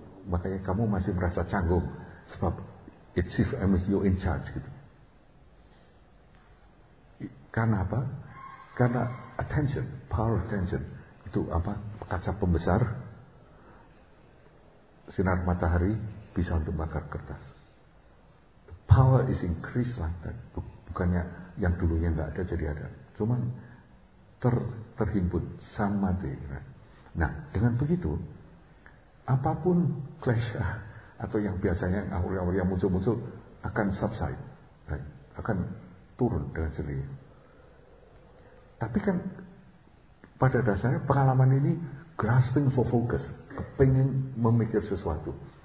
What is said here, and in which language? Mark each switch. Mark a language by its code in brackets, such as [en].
[id] Makanya kamu masih merasa canggung sebab [en] it's if you're in charge [id] gitu. Karena apa? Karena attention, [en] power attention [id] itu apa? Kaca pembesar. Sinar matahari bisa untuk bakar kertas. [en] The power is increased like that. [id] Bukannya yang dulunya enggak ada jadi ada. Cuman terhimpun sama dia. Nah, dengan begitu apapun clash atau yang biasanya aura-aura yang muncul-muncul akan [en] subside, right? [id] Akan turun dengan sendirinya. Tapi kan pada dasarnya pengalaman ini [en] grasping for focus, [id] kepingin memikir sesuatu.